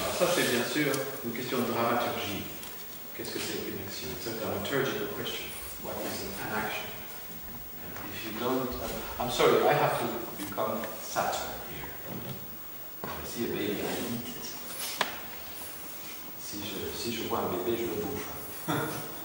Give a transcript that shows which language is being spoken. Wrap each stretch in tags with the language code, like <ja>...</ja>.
<fr>Alors ça c'est bien sûr une question de dramaturgie. Qu'est-ce que c'est qu'une action?</fr> <en>It's a dramaturgical question. What is an action? And if you don't, I'm sorry, I have to become Saturn here. I see a baby, I eat it.</en> <fr>Si je vois un bébé, je le bouffe.</fr>